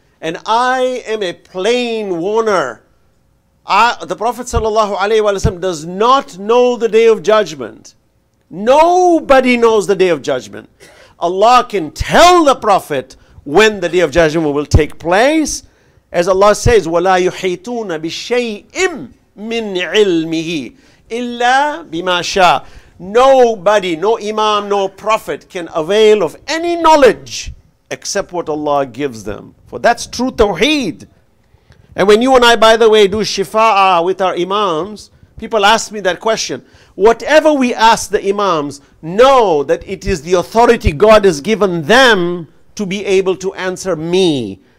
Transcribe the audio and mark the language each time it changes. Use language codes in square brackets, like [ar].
[en] And I am a plain warner. The Prophet ﷺ does not know the day of judgment. Nobody knows the day of judgment. Allah can tell the Prophet when the day of judgment will take place. As Allah says, [ar] وَلَا يُحِيطُونَ بِشَيْءٍ مِّنْ عِلْمِهِ إِلَّا بِمَا شَاءَ. [en] Nobody, no imam, no prophet can avail of any knowledge except what Allah gives them. For that's true tawheed. And when you and I, by the way, do shifa'ah with our imams, people ask me that question. Whatever we ask the imams, know that it is the authority God has given them to be able to answer me.